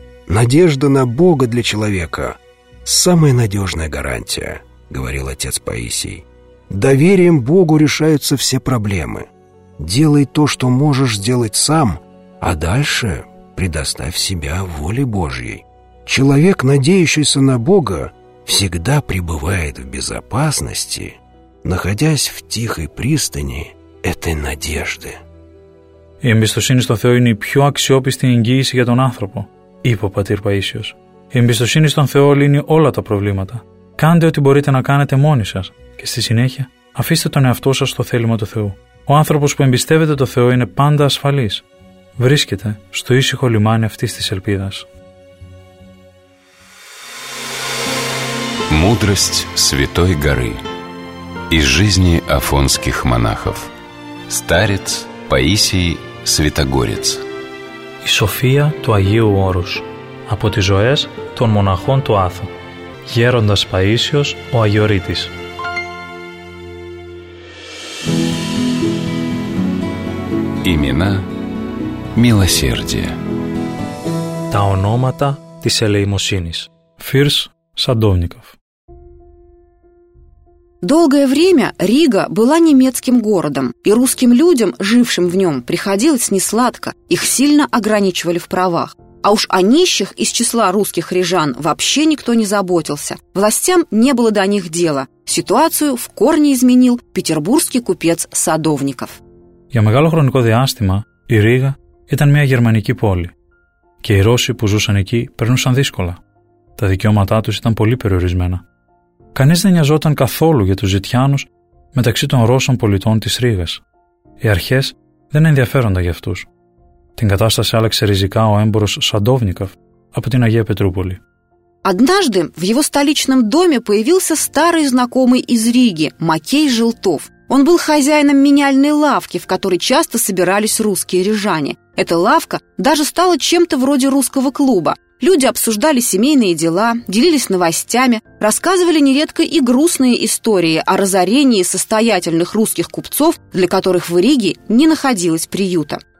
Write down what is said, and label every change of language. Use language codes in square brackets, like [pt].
[ru] «Надежда на Бога для человека – самая надежная гарантия», – говорил отец Паисий. «Доверием Богу решаются все проблемы. Делай то, что можешь сделать сам, а дальше предоставь себя воле Божьей. Человек, надеющийся на Бога, всегда пребывает в безопасности, находясь в тихой пристани этой надежды». [el] «Η εμπιστοσύνη στον Θεό είναι η πιο αξιόπιστη εγγύηση για τον άνθρωπο», είπε ο πατήρ Παΐσιος. «Η εμπιστοσύνη στον Θεό λύνει όλα τα προβλήματα. Κάντε ό,τι μπορείτε να κάνετε μόνοι σας και στη συνέχεια αφήστε τον εαυτό σας στο θέλημα του Θεού. Ο άνθρωπος που εμπιστεύεται τον Θεό είναι πάντα ασφαλής. Βρίσκεται στο ήσυχο λιμάνι αυτής της ελπίδας». [ru] Мудрость Святой Горы из жизни афонских монахов. Старец Паисий Святогорец. [el] Η σοφία του Αγίου Όρους από τις ζωές των μοναχών του Άθου. Γέροντας Παΐσιος ο Αγιορείτης. [ru] Имена милосердия. [el] Τα ονόματα της ελεημοσύνης. [ru] Фирс Садовников. Долгое время Рига была немецким городом, и русским людям, жившим в нем, приходилось несладко, их сильно ограничивали в правах. А уж о нищих из числа русских рижан вообще никто не заботился, властям не было до них дела. Ситуацию в корне изменил петербургский купец Садовников. [el] Για μεγάλο χρονικό διάστημα η Ρίγα ήταν μια γερμανική πόλη και οι Ρώσοι που ζούσαν εκεί περνούσαν δύσκολα. Τα δικαιώματά τους ήταν πολύ περιορισμένα. Κανείς δεν νοιαζόταν καθόλου για τους Ζητιάνους μεταξύ των Ρώσων πολιτών της Ρήγας. Οι αρχές δεν ενδιαφέρονταν για αυτούς. Την κατάσταση άλλαξε ριζικά ο έμπορος Σαντόβνικοφ από την Αγία Πετρούπολη. [ru] Однажды в его столичном доме появился старый знакомый из Риги, Макей Желтов. Он был хозяином меняльной лавки, в которой часто собирались русские рижане. Эта лавка даже стала чем-то вроде русского клуба. Люди обсуждали семейные дела, делились новостями, рассказывали нередко и грустные истории о разорении состоятельных русских купцов, для которых в Риге не находилось приюта.